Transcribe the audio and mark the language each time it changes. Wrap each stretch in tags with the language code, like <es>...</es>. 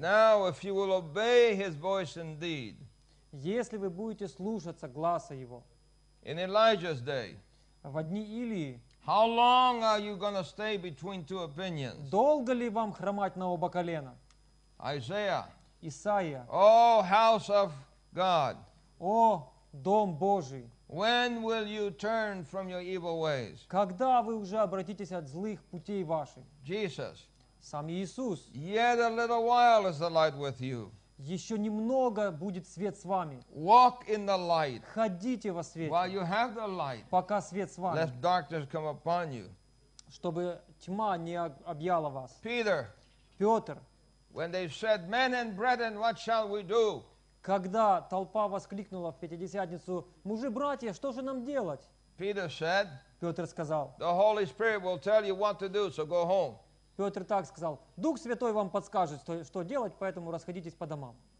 <en>Now, if you will obey his voice indeed.</en> <ru>Если вы будете слушаться гласа его.</ru> <en>In Elijah's day.</en> <ru>В одни Илии.</ru> <en>How long are you going to stay between two opinions?</en> <ru>Долго ли вам хромать на оба колена?</ru> <en>Isaiah.</en> <ru>Исаия.</ru> <en>О, house of God.</en> <ru>О, дом Божий.</ru> <en>When will you turn from your evil ways?</en> <ru>Когда вы уже обратитесь от злых путей ваших?</ru> <en>Jesus.</en> <ru>Сам Иисус.</ru> <en>Yet a little while is the light with you.</en> <ru>Еще немного будет свет с вами.</ru> <en>Walk in the light.</en> <ru>Ходите во свете.</ru> <en>While you have the light.</en> <ru>Пока свет с вами.</ru> <en>Let darkness come upon you.</en> <ru>Чтобы тьма не объяла вас.</ru> <en>Peter.</en> <ru>Петр.</ru> <en>When they said, "Men and brethren, what shall we do?"</en> <ru>Когда толпа воскликнула в Пятидесятницу, мужи, братья, что же нам делать?</ru> <en>Peter said.</en> <ru>Петр сказал.</ru> <en>The Holy Spirit will tell you what to do, so go home.</en> <ru>Петр так сказал, Дух Святой вам подскажет, что делать, поэтому расходитесь по домам.</ru>